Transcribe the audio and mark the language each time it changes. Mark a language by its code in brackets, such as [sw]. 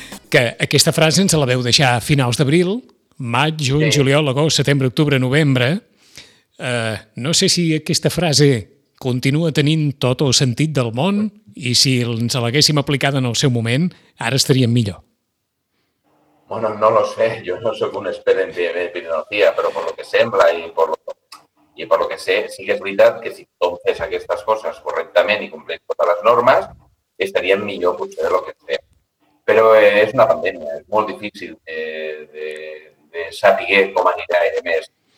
[ca] Que aquesta frase ens la veu deixar a finals d'abril, maig, juny, sí. Juliol, agost, setembre, octubre, novembre... No sé si aquesta frase continua tenint tot el sentit del món i si ens l'haguéssim aplicada en el seu moment, ara estaríem millor. [es] Bueno, no lo sé. Yo no soy un experto en epidemiología, pero por lo que [ca] sembla [es] y por lo que sé, sí que es verdad que si tú haces [ca] aquestes coses correctament i compleix totes les normes, estaríem millor, potser, [es] de lo que sea. [ca] Però és una pandèmia, és molt difícil de saber com anirà el mes.